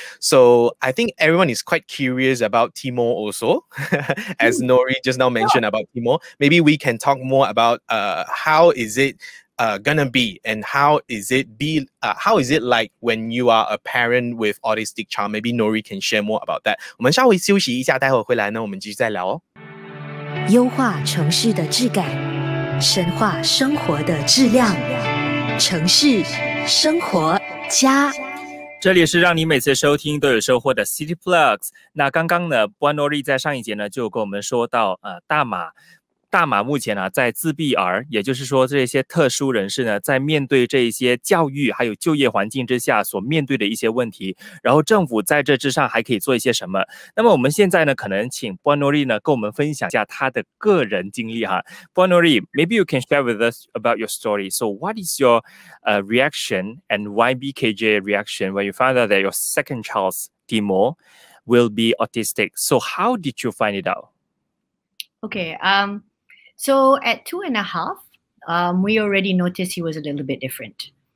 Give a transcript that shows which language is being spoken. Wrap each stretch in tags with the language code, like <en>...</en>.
<en>So I think everyone is quite curious about Timor also, as Nori just now mentioned about Timor. Maybe we can talk more about how is it gonna be, and how is it like when you are a parent with autistic child? Maybe Nori can share more about that.</en> <zh>我们稍微休息一下，待会回来呢，我们继续再聊哦。优化城市的质感，深化生活的质量，城市生活家。这里是让你每次收听都有收获的 CITYPlus。那刚刚呢，波安诺丽在上一节呢就跟我们说到大马目前呢，在自闭儿，也就是说这些特殊人士呢，在面对这些教育还有就业环境之下所面对的一些问题，然后政府在这之上还可以做一些什么。那么我们现在呢，可能请波安诺丽呢跟我们分享一下她的个人经历哈。</zh> <en>波安诺丽， maybe you can share with us about your story. So what is your reaction and why BKJ reaction when you found out that your second child, Timor, will be autistic? So how did you find it out? Okay, so at 2.5, we already noticed he was a little bit different.</en>